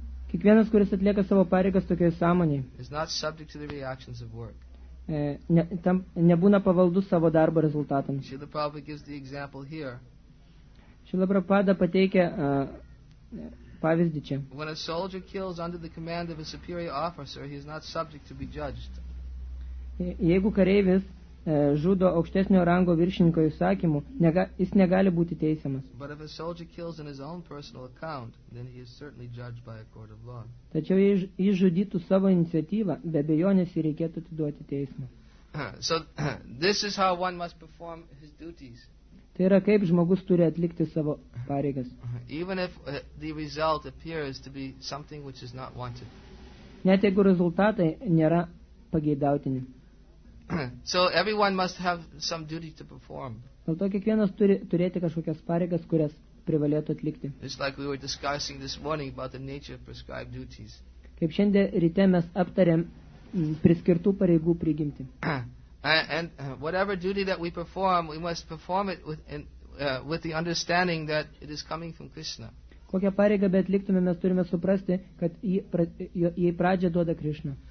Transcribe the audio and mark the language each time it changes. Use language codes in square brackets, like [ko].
[lt] kiekvienas, kuris atlieka savo pareigas tokioje sąmonėje, [en] is not subject to the reactions of work. [lt] Nebūna pavaldus savo darbo rezultatams. [en] Srila Prabhupada gives the example here. [lt] Srila Prabhupada pateikia pavyzdį čia. [en] When a soldier kills under the command of a superior officer, he is not subject to be judged. [lt] Jeigu kareivis žudo aukštesnio rango viršininko įsakymu, jis negali būti teisiamas. [en] But if a soldier kills in his own personal account, then he is certainly judged by a court of law. [lt] Tačiau jei jis žudytų savo iniciatyvą, be abejonės jį reikėtų atiduoti teismą. [en] So this is how one must perform his duties. [lt] Tai yra kaip žmogus turi atlikti savo pareigas. [en] Even if the result appears to be something which is not wanted. [lt] Net jeigu rezultatai nėra pageidautini. [en] So everyone must have some duty to perform. [lt] Dėl to kiekvienas turi turėti kažkokias pareigas, kurias privalėtų atlikti. [en] It's like we were discussing this morning about the nature of prescribed duties. [lt] Kaip šiandien ryte mes aptarėm priskirtų pareigų prigimtį. [en] And whatever duty that we perform, we must perform it with the understanding that it is coming from Krishna. [lt] Kokią pareigą beatliktume, mes turime suprasti, kad jį pradžią duoda Krishna.